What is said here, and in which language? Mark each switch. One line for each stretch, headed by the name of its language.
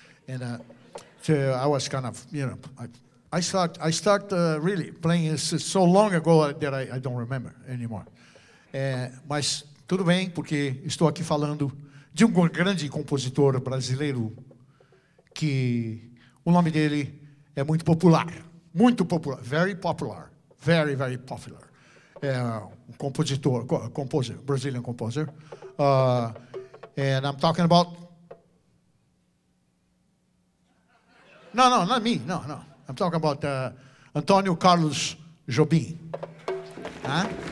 English: And so I was kind of, you know, I start really playing this so long ago that I don't remember anymore.
Portuguese: Mas tudo bem, porque estou aqui falando de um grande compositor brasileiro que o nome dele é muito popular. Muito popular.
English: Very popular. Very, very popular.
Portuguese: É um compositor,
English: composer, Brazilian composer. And I'm talking about... No, not me. No. I'm talking about Antônio Carlos Jobim. Huh?